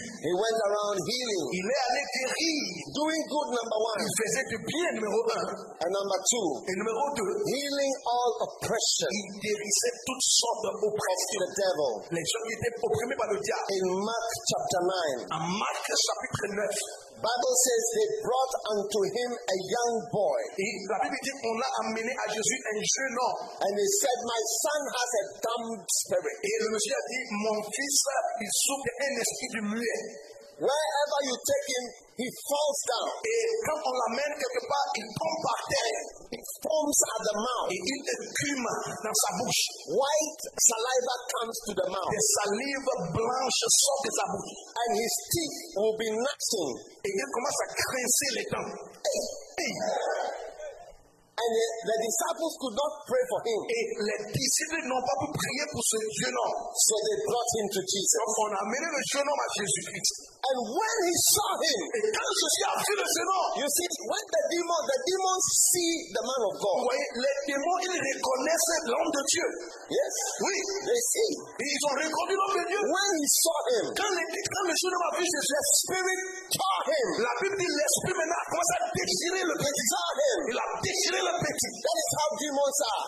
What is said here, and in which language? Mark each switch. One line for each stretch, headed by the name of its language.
English: He went around healing.
French: Il est allé guérir.
English: Doing good, number one.
French: Il faisait du bien, numéro un.
English: And number two.
French: Et numéro deux.
English: Healing all oppression.
French: Il guérissait toutes sortes d'oppressions.
English: The devil.
French: Les gens qui étaient opprimés par le diable.
English: In Mark chapter 9.
French: En Marc chapitre 9.
English: Bible says they brought unto him a young boy.
French: Et la Bible dit on l'a amené à Jésus un jeune homme.
English: And he said, my son has a dumb spirit.
French: Et le monsieur a dit mon fils il souffre d'un esprit de muet.
English: Wherever you take him, he falls down.
French: Et quand on l'amène quelque part, il tombe par terre.
English: It foams at the mouth.
French: Et il écume dans sa bouche.
English: White saliva comes to the mouth.
French: La salive blanche sort de sa bouche.
English: And his teeth will be gnashing.
French: Et il commence à grincer les dents. Hey.
English: And the disciples could not pray for him.
French: Et les disciples n'ont pas pu prier pour ce jeune homme.
English: So they brought him to Jesus.
French: Donc on a amené le jeune homme à Jésus Christ.
English: And when he saw him,
French: et quand Jésus a vu le jeune homme,
English: you see, when the demons see the man of God.
French: Oui, les démons ils reconnaissent l'homme de Dieu.
English: Yes.
French: Oui.
English: They see.
French: Ils ont reconnu l'homme de Dieu.
English: When he saw him,
French: quand le jeune homme a vu Jésus,
English: the spirit tore him.
French: La Bible dit l'esprit maintenant commence à déchirer le petit.
English: Tore him.
French: Il a déchiré.
English: That is how demons are.